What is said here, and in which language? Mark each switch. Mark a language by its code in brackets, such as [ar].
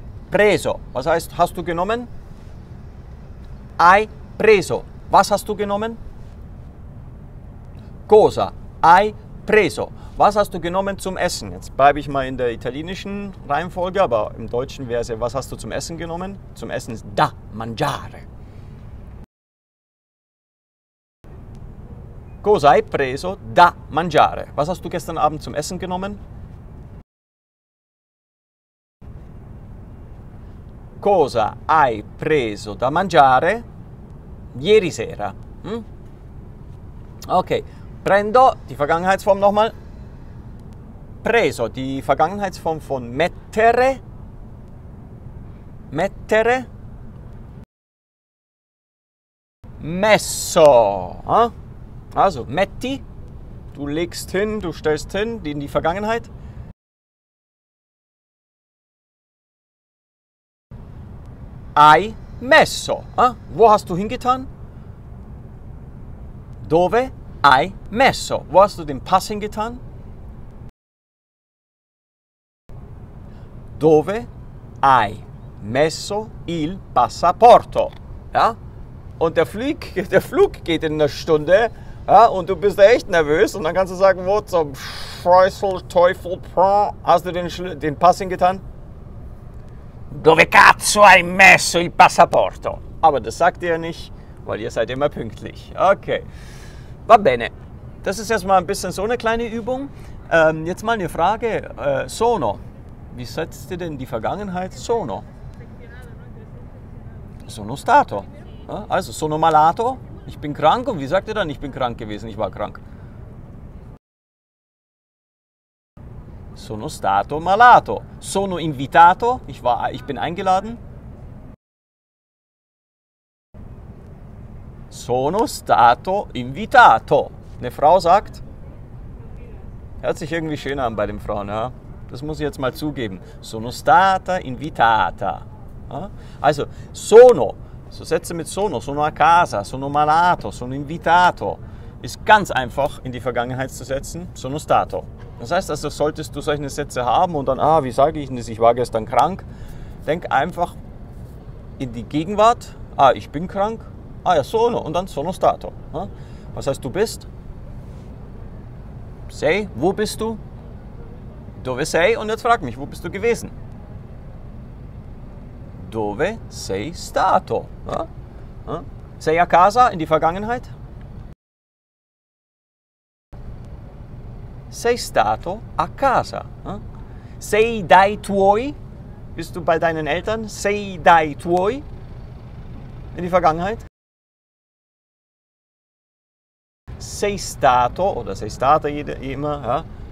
[de] Preso. Was heißt, hast du genommen? Hai preso? Was hast du genommen? Cosa hai preso? Was hast du genommen zum Essen? Jetzt bleibe ich mal in der italienischen Reihenfolge, aber im Deutschen wäre es, was hast du zum Essen genommen? Zum Essen ist da, mangiare. [it] Cosa hai preso da mangiare? [de] Was hast du gestern Abend zum Essen genommen? [it] Cosa hai preso da mangiare ieri sera? [de] Hm? Ok, prendo, die Vergangenheitsform nochmal. Preso, die Vergangenheitsform von mettere. Mettere. Messo. Hm? Also, metti, du legst hin, du stellst hin, in die Vergangenheit. Hai messo. Wo hast du hingetan? [it] Dove hai messo. [de] Wo hast du den Pass hingetan? [it] Dove hai messo il passaporto. [de] Ja? Und der Flug geht in einer Stunde. Ja, und du bist echt nervös und dann kannst du sagen, wo zum Scheißel, Teufel, hast du den Pass hingetan? [it] Dove cazzo hai messo il passaporto? [de] Aber das sagt ihr ja nicht, weil ihr seid immer pünktlich. Okay, va bene. Das ist erstmal ein bisschen so eine kleine Übung. Jetzt mal eine Frage. Sono, wie setzt ihr denn die Vergangenheit? Sono. Sono stato. Ja, also, sono malato. Ich bin krank und wie sagt ihr dann, ich bin krank gewesen, ich war krank? [it] Sono stato malato. Sono invitato, ich bin eingeladen. [de] Sono stato invitato. Eine Frau sagt, hört sich irgendwie schön an bei den Frauen, ja? Das muss ich jetzt mal zugeben. [it] Sono stata invitata. Ja? Also, sono. So Sätze mit sono, sono a casa, sono malato, sono invitato. [de] Ist ganz einfach in die Vergangenheit zu setzen, sono stato. Das heißt also, solltest du solche Sätze haben und dann, wie sage ich denn das, ich war gestern krank. Denk einfach in die Gegenwart, ich bin krank, sono und dann sono stato. Was heißt du bist? Sei, wo bist du? Dove sei und jetzt frag mich, wo bist du gewesen? [it] Dove sei stato? Ja? Ja? Sei a casa in die Vergangenheit? Sei stato a casa? Ja? Sei dai tuoi? [de] Bist du bei deinen Eltern? [it] Sei dai tuoi in die Vergangenheit? Sei stato oder sei stata immer, ja?